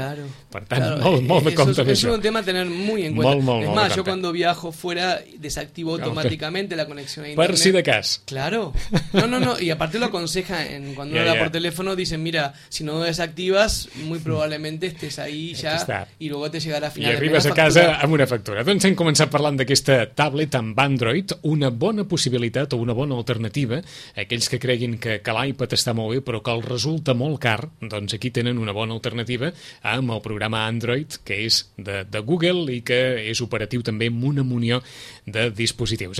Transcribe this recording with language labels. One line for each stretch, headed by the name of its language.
Spanish: Claro.
Catalan: Per tant, molt de compte d'això.
Spanish: Es un tema a tener muy en cuenta. Es más, yo cuando viajo fuera desactivo automáticamente la conexión a internet.
Catalan: Per si de cas.
Spanish: Claro. No, y aparte lo aconseja cuando habla por teléfono, dicen, mira, si no desactivas, muy probablemente estés ahí ya y luego te
Catalan: i arribes a casa amb una factura. Doncs hem començat parlant d'aquesta tablet amb Android, una bona possibilitat o una bona alternativa. Aquells que creguin que l'iPad està molt bé però que el resulta molt car, doncs aquí tenen una bona alternativa amb el programa Android, que és de Google i que és operatiu també amb una munió de dispositius.